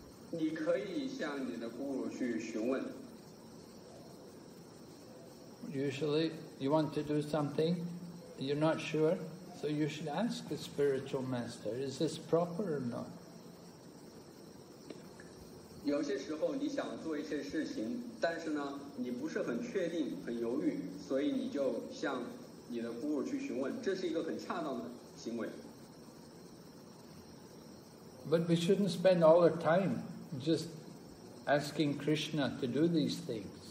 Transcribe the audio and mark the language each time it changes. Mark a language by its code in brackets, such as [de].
[zh] 你可以向你的 Guru 去询问。 [en] Usually, you want to do something, you're not sure, so you should ask the spiritual master, is this proper or not? [zh] 有些时候你想做一些事情，但是呢，你不是很确定，很犹豫，所以你就向你的guru去询问，这是一个很恰当的行为。 [en] But we shouldn't spend all our time just asking Krishna to do these things.